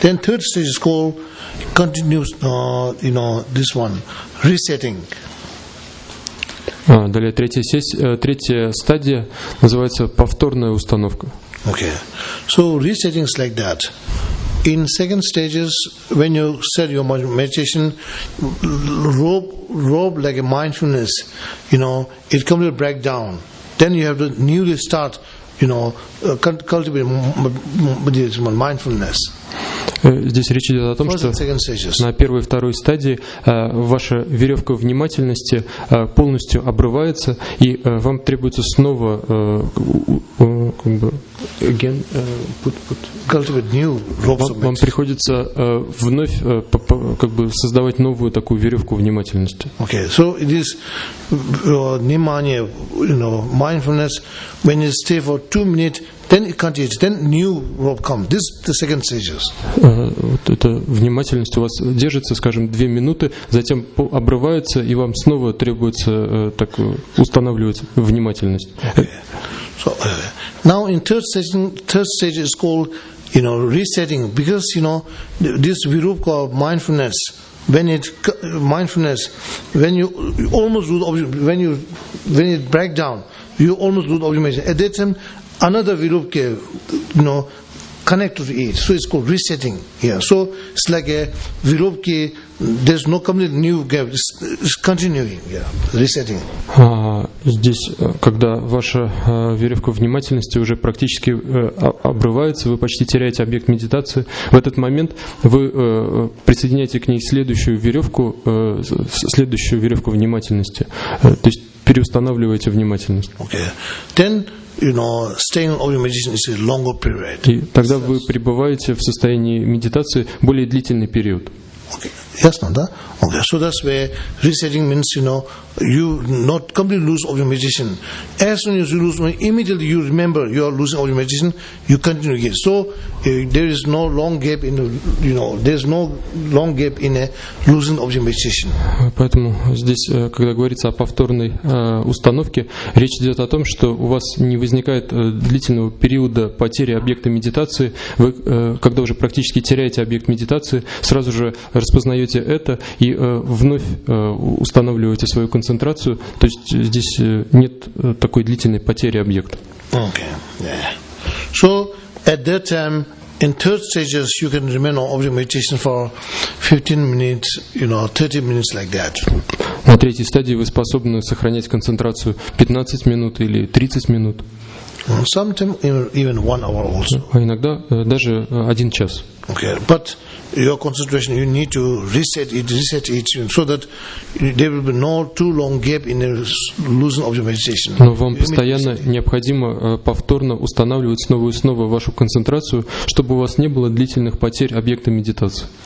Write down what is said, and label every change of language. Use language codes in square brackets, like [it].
[en] Then third stage is called continuous, you know, this one, resetting. [ru] Далее третья стадия называется повторная установка. [en] Okay. So resetting is like that. In second stages, when you set your meditation, rope like a mindfulness, you know, it completely break down. Then you have to newly start, you know, cultivate mindfulness. [ru] Здесь речь идет о том, что на первой и второй стадии ваша веревка внимательности полностью обрывается, и вам требуется снова вам приходится вновь как бы создавать новую такую веревку внимательности. [en] Okay, so it is nimanya, you know, mindfulness. When you stay for 2 minutes, then it continues. Then new rope comes. This is the second stages. [ru] Вот эта внимательность у вас держится, скажем, 2 минуты, затем обрывается, и вам снова требуется так устанавливать внимательность. [en] So, now in third stage is called, you know, resetting, because, you know, this virupa of mindfulness, when it breaks down, you almost lose the object meditation. At that time, another virupa, you know, connect to it, so it's called resetting. Yeah, so it's like a virupki. There's no complete new gap. It's continuing. Yeah, resetting. [ru] Здесь, когда ваша веревка внимательности уже практически обрывается, вы почти теряете объект медитации. В этот момент вы присоединяете к ней следующую веревку внимательности. То есть переустанавливаете внимательность. [en] Okay. Then, you know, staying on meditation is a longer period. [ru] И тогда вы пребываете в состоянии медитации более длительный период. [en] Okay. Yes, no, да? Okay. So that's where resetting means, you know, you not completely lose of your meditation. As soon as you lose one, immediately you remember you are losing of your meditation, you continue again. So there is no long gap in the, you know, there's no long gap in a losing of your meditation. [ru] Поэтому здесь, когда говорится о повторной установке, речь идет о том, что у вас не возникает длительного периода потери объекта медитации. Вы, когда уже практически теряете объект медитации, сразу же распознаете это и вновь устанавливаете свою концентрацию, то есть здесь нет такой длительной потери объекта. [en] Okay. Yeah. So at that time In third stages, you can remain on object meditation for 15 minutes, you know, 30 minutes like that. [ru] На третьей стадии вы способны сохранять концентрацию 15 минут или 30 минут. [en] Sometimes even 1 hour also. [ru] А иногда даже 1 час. [en] Okay, but your concentration, you need to reset it, so that there will be no too long gap in the losing of your meditation. [ru] Но вам постоянно необходимо повторно устанавливать снова и снова вашу концентрацию, чтобы у вас не было длительных потерь объекта медитации.